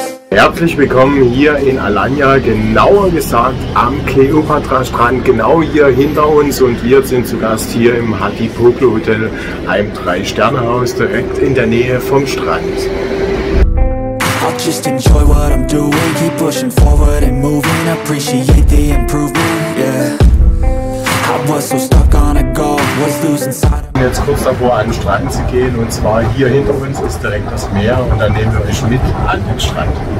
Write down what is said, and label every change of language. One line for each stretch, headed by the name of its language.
German: Herzlich willkommen hier in Alanya, genauer gesagt am Kleopatra-Strand, genau hier hinter uns, und wir sind zu Gast hier im Hatipoglu Hotel, einem 3-Sterne-Haus direkt in der Nähe vom Strand.
English: I'll just enjoy what I'm doing, keep pushing forward and moving, appreciate the improvement, yeah. I was so stuck on a goal, was losing sight.
German: Jetzt kurz davor an den Strand zu gehen, und zwar hier hinter uns ist direkt das Meer, und dann nehmen wir euch mit an den Strand.